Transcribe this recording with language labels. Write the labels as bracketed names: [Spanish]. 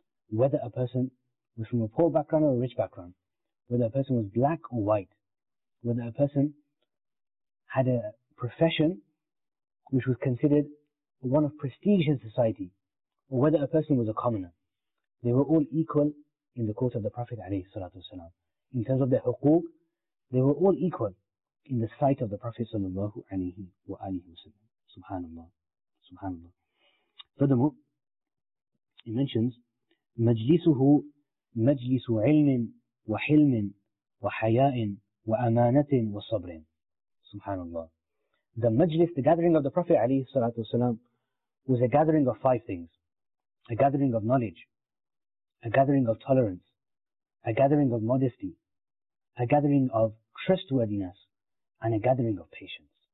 [English] Whether a person was from a poor background or a rich background, whether a person was black or white, whether a person had a profession which was considered one of prestige in society, or whether a person was a commoner, they were all equal in the court of the Prophet alayhi salatu wasalam. In terms of their huquq, they were all equal in the sight of the Prophet sallallahu alayhi wa alihi wa sallam. Subhanallah. Subhanallah. Furthermore, he mentions, [Arabic] مَجْلِسُهُ مَجْلِسُ عِلْمٍ وَحِلْمٍ وَحَيَاءٍ وَأَمَانَةٍ وَصَبْرٍ. [English] Subhanallah. The majlis, the gathering of the Prophet alayhi salatu wasalam, was a gathering of five things. A gathering of knowledge, a gathering of tolerance, a gathering of modesty, a gathering of trustworthiness, and a gathering of patience.